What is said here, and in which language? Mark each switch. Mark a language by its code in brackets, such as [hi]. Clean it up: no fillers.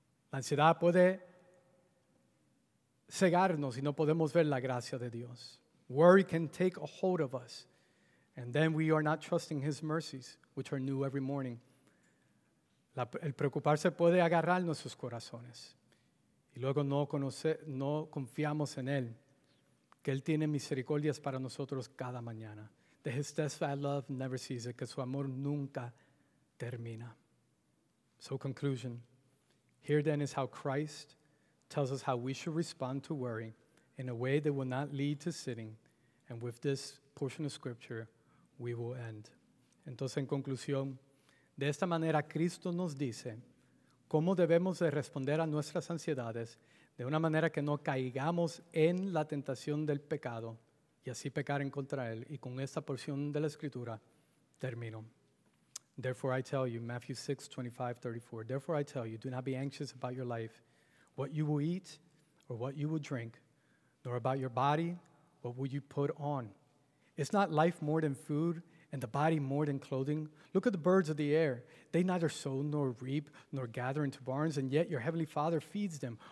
[es] La ansiedad puede cegarnos y no podemos ver la gracia de Dios. [en] Worry can take a hold of us, and then we are not trusting His mercies, which are new every morning. [es] El preocuparse puede agarrar nuestros corazones, y luego no confiamos en Él, que Él tiene misericordias para nosotros cada mañana. [en] That His steadfast love never ceases, [es] que su amor nunca termina. [en] So, conclusion. Here then is how Christ tells us how we should respond to worry in a way that will not lead to sinning. And with this portion of scripture, we will end. [es] Entonces, en conclusión, de esta manera, Cristo nos dice cómo debemos de responder a nuestras ansiedades de una manera que no caigamos en la tentación del pecado y así pecar en contra Él. Y con esta porción de la escritura, termino. [en] Therefore I tell you, Matthew 6, 25, 34, therefore I tell you, do not be anxious about your life, what you will eat or what you will drink, nor about your body, what will you put on? Is not life more than food and the body more than clothing? Look at the birds of the air. They neither sow nor reap nor gather into barns, and yet your heavenly Father feeds them.